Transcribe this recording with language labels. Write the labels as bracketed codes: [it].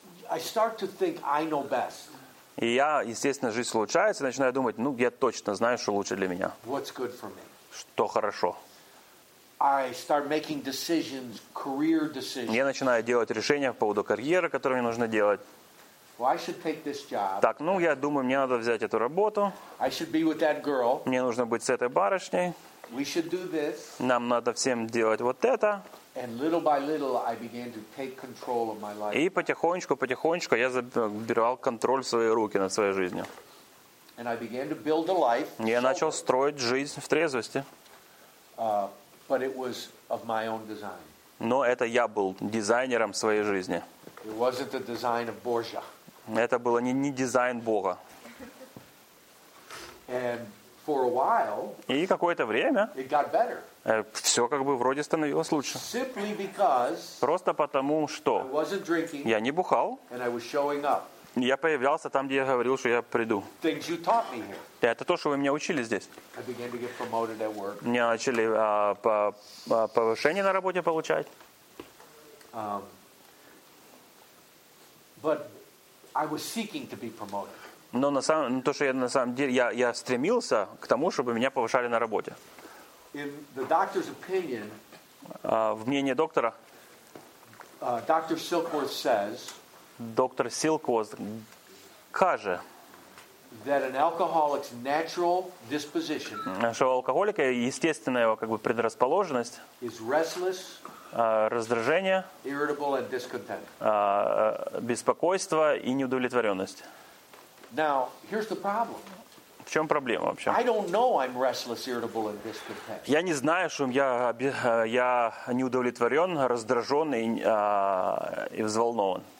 [en] I start to think I know best. [ru] И я, естественно, жизнь улучшается, начинаю думать, я точно знаю, что лучше для меня. [en] What's good for me? [ru] Что хорошо. [en] I start making decisions, career decisions. [ru] Я начинаю делать решения по поводу карьеры, которые мне нужно делать. [en] Well, I should take this job. [ru] Так, я думаю, мне надо взять эту работу. [en] I should be with that girl. [ru] Мне нужно быть с этой барышней. [en] We should do this. [ru] Нам надо всем делать вот это. [en] And little by little I began to take control of my life. [ru] И потихонечку я забирал контроль в свои руки над своей жизнью. [en] And I began to build a life. [ru] Я начал строить жизнь в трезвости. [en] But it was of my own design. [ru] Но это я был дизайнером своей жизни. [en] It wasn't the design of Borgia. [ru] Это было не дизайн Бога. [en] And for a while, [ru] и какое-то время [en] it got better. [ru] Все как бы вроде становилось лучше. [en] Simply because [ru] просто потому, что [en] I wasn't drinking, [ru] я не бухал, [en] and I was showing up. [ru] Я появлялся там, где я говорил, что я приду. [en] Things you taught me here. [ru] Это то, что вы меня учили здесь. [en] I began to get promoted at work. [ru] Мне начали повышение на работе получать. [en] But I was seeking to be promoted. [ru] Но на самом деле, то, что я на самом деле, я стремился к тому, чтобы меня повышали на работе. [en] In the doctor's opinion, [ru] в мнении доктора, [en] Dr. Silkworth says, [ru] доктор Силкворт каже, [en] that an alcoholic's natural disposition, [ru] что у алкоголика естественная его как бы предрасположенность, [en] is restless, [ru] раздражение, [en] irritable and discontent, [ru] беспокойство и неудовлетворенность. [en] Now, here's the problem. [ru] В чем проблема вообще? [en] I don't know I'm restless, irritable, and discontent. [ru] Я не знаю, что я неудовлетворен, раздражен и взволнован.